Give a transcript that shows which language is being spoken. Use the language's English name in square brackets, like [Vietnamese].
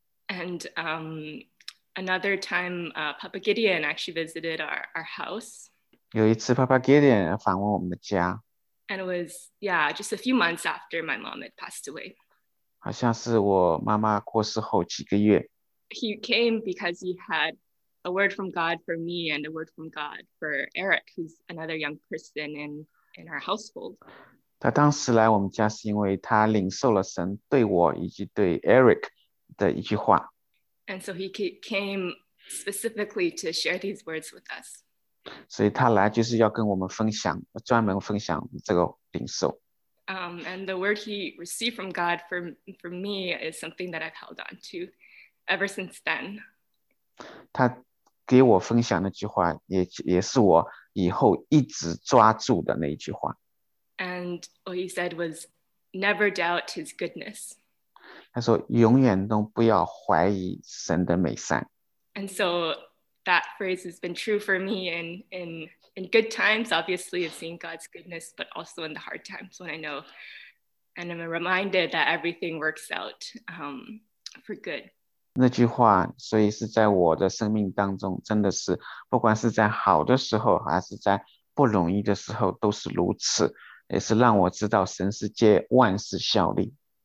[English] And another time, Papa Gideon actually visited our house. [Chinese] 有一次 Papa Gideon 访问我们的家。 [English] And it was, yeah, just a few months after my mom had passed away. [Chinese] 好像是我妈妈过世后几个月。 [English] He came because he had a word from God for me and a word from God for Eric, who's another young person in our household. [Chinese] 他当时来我们家是因为他领受了神对我以及对 Eric 的一句话。 [English] And so he came specifically to share these words with us. [Chinese] 所以他来就是要跟我们分享，专门分享这个领受。 [English] And the word he received from God for me is something that I've held on to ever since then. [Chinese] 他给我分享那句话也是我以后一直抓住的那一句话。 [English] And what he said was, never doubt his goodness. [Chinese] 他说永远都不要怀疑神的美善。 [English] And so,that phrase has been true for me in good times, obviously, of seeing God's goodness, but also in the hard times when I know, and I'm reminded that everything works out for good. [Chinese] 那句话，所以是在我的生命当中，真的是，不管是在好的时候，还是在不容易的时候，都是如此，也是让我知道神是借万事效力。